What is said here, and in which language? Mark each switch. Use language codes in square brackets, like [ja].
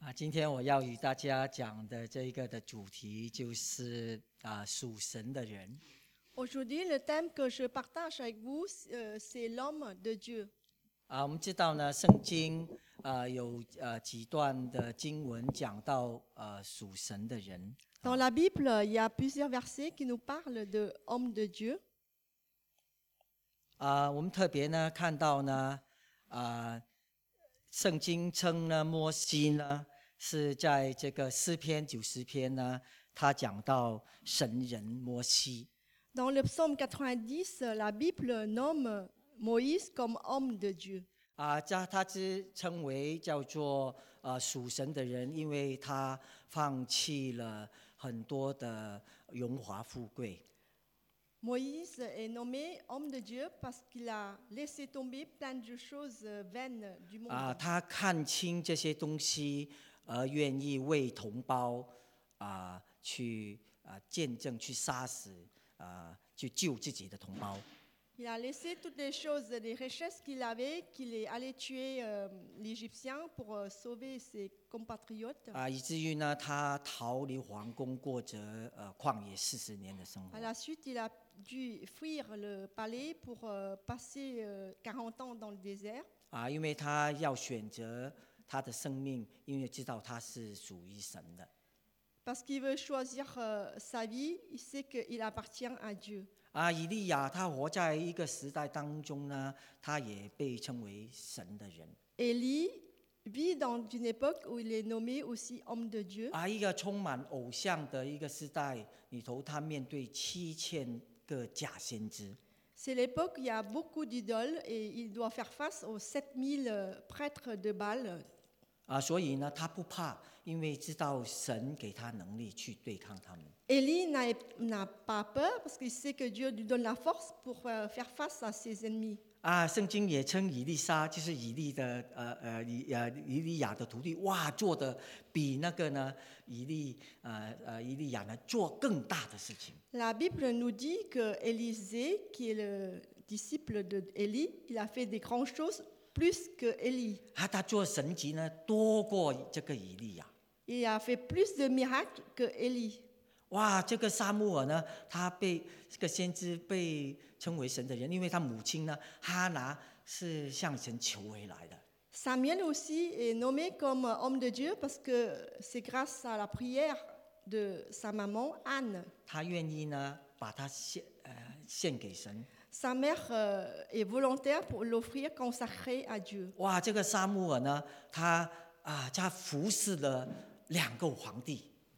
[zh] 今天我要与大家讲的这个的主题就是属神的人。 [fr] Aujourd'hui, le thème que je partage avec vous, c'est l'homme de Dieu. [zh] 我们知道呢，圣经有几段的经文讲到属神的人。 [fr] Dans la Bible, il y a plusieurs versets qui nous parlent de homme de Dieu. [zh] 我们特别呢看到呢，圣经称呢，摩西呢是在这个诗篇九十篇呢，他讲到神人摩西。 [fr] Dans le psaume 90, la Bible nomme Moïse comme homme de Dieu. [zh] 他是称为叫做属神的人，因为他放弃了很多的荣华富贵。 [fr] Moïse est nommé homme de Dieu parce qu'il a laissé tomber plein de choses vaines du monde. [zh] 他看清这些东西，而愿意为同胞去见证，去杀死去救自己的同胞。 [fr] Il a laissé toutes les choses, les richesses qu'il avait, qu'il est allé tuer l'Égyptien pour sauver ses compatriotes. [zh] 以至于呢，他逃离皇宫，过着旷野四十年的生活。 [fr] À la suite, il a dû fuir le palais pour passer 40 ans dans le désert. [zh] 因为他要选择他的生命，因为知道他是属于神的。 [fr] Parce qu'il veut choisir sa vie, il sait qu'il appartient à Dieu. [zh] 以利亚他活在一个时代当中呢，他也被称为神的人。 [fr] Élie vit dans une époque où il est nommé aussi homme de Dieu. [zh] 一个充满偶像的一个时代里头，他面对七千个假先知。 [fr] C'est l'époque où il y a beaucoup d'idoles et il doit faire face aux 7000 prêtres de Baal. [zh] 所以呢，他不怕，因为知道神给他能力去对抗他们。 [fr] Élie n'a pas peur parce qu'il sait que Dieu lui donne la force pour faire face à ses ennemis. [zh] 圣经也称以利沙，就是以利的以利亚的徒弟，哇，做的比那个呢以利亚呢做更大的事情。 [fr] La Bible nous dit que Élisée, qui est le disciple de Élie, il a fait des grandes choses plus que Élie. [zh] 他做神迹呢多过这个以利亚。 [fr] Il a fait plus de miracles que Élie. [zh] 哇，这个撒母耳呢，他被这个先知被称为神的人，因为他母亲呢，哈拿是向神求回来的。 [fr] Samuel aussi est nommé comme homme de Dieu parce que c'est grâce à la prière de sa maman Anne. [zh] 他愿意呢，把他献给神。 [fr] Sa mère est volontaire pour l'offrir consacrée à Dieu. [zh] 哇，这个撒母耳呢，他服侍了两个皇帝。